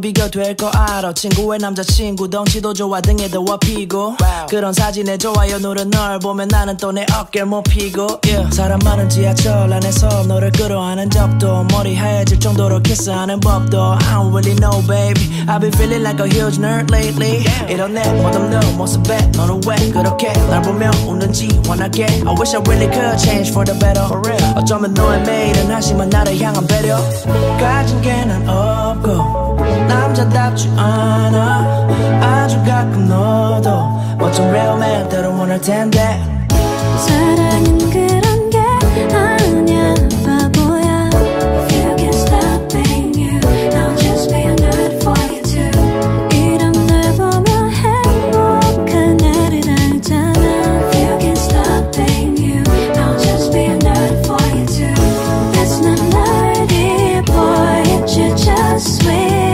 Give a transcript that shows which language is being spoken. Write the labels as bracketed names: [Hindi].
[Korean] 될거 알아 친구의 남자친구 덩치도 좋아 등에 더 업히고 wow. 그런 사진에 좋아요 누른 널 보면 나는 또 내 어깨를 못 피고 yeah. 사람 많은 지하철 안에서 너를 끌어안은 적도 머리 하얘질 정도로 키스하는 법도 [English] I don't really know baby I've been feeling like a huge nerd lately yeah. [Korean] 이런 내 멋없는 모습에 너는 왜 그렇게 날 보면 웃는지 원하게 [English] I wish I really could change for the better for real. [Korean] 어쩌면 너의 매일은 하지만 나를 향한 배려 가진 게 난 없고 남자답지 않아 아주 가끔 너도 멋진 [English] real man [Korean] 때론 원할 텐데 사랑은 그런 게 아니야 바보야 [English] If you can't stop being you I'll just be a nerd for you too [Korean] 이런 널 보면 행복한 애를 알잖아 [English] If you can't stop being you I'll just be a nerd for you too That's not nerdy boy It's you just sweet